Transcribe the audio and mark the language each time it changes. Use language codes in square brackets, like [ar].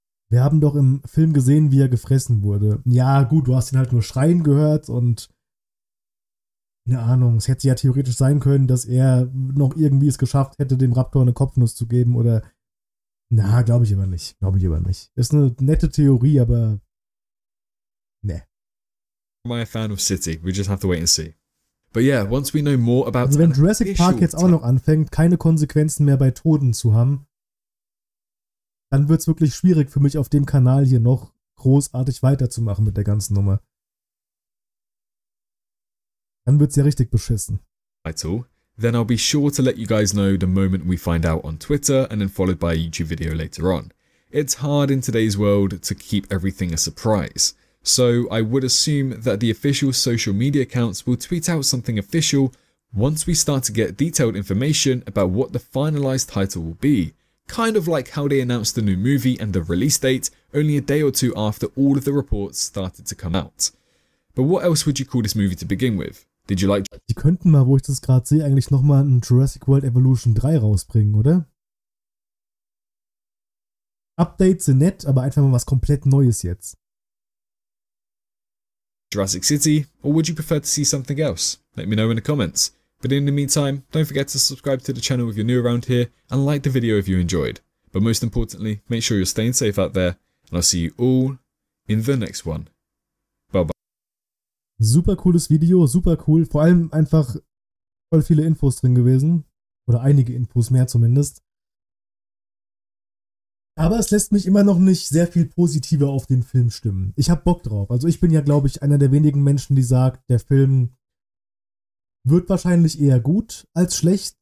[de] Wir haben doch im Film gesehen, wie er gefressen wurde. Ja, gut, du hast ihn halt nur schreien gehört und keine Ahnung, es hätte ja theoretisch sein können, dass er noch irgendwie es geschafft hätte, dem Raptor eine Kopfnuss zu geben oder na, glaube ich aber nicht. Ist eine nette Theorie, aber [en] Nah. Am I a fan of City? We just have to wait and see. But yeah, once we know more about... [de] Also wenn Jurassic Park jetzt auch noch anfängt, keine Konsequenzen mehr bei Toten zu haben, dann wird es wirklich schwierig für mich auf dem Kanal hier noch großartig weiterzumachen mit der ganzen Nummer. Dann wird's ja richtig beschissen. [en] Right, so. Then I'll be sure to let you guys know the moment we find out on Twitter and then followed by a YouTube video later on. It's hard in today's world to keep everything a surprise. So I would assume that the official social media accounts will tweet out something official once we start to get detailed information about what the finalized title will be. Kind of like how they announced the new movie and the release date only a day or two after all of the reports started to come out. But what else would you call this movie to begin with? Did you like... [de] Die könnten mal, wo ich das gerade sehe, eigentlich nochmal ein Jurassic World Evolution 3 rausbringen, oder? Updates sind nett, aber einfach mal was komplett Neues jetzt. [en] Jurassic City, or would you prefer to see something else? Let me know in the comments. But in the meantime, don't forget to subscribe to the channel if you're new around here and like the video if you enjoyed. But most importantly, make sure you're staying safe out there and I'll see you all in the next one. Bye-bye. [de] Super cooles Video, super cool. Vor allem einfach voll viele Infos drin gewesen. Oder einige Infos mehr zumindest. Aber es lässt mich immer noch nicht sehr viel positiver auf den Film stimmen. Ich habe Bock drauf. Also ich bin ja, glaube ich, einer der wenigen Menschen, die sagt, der Film wird wahrscheinlich eher gut als schlecht.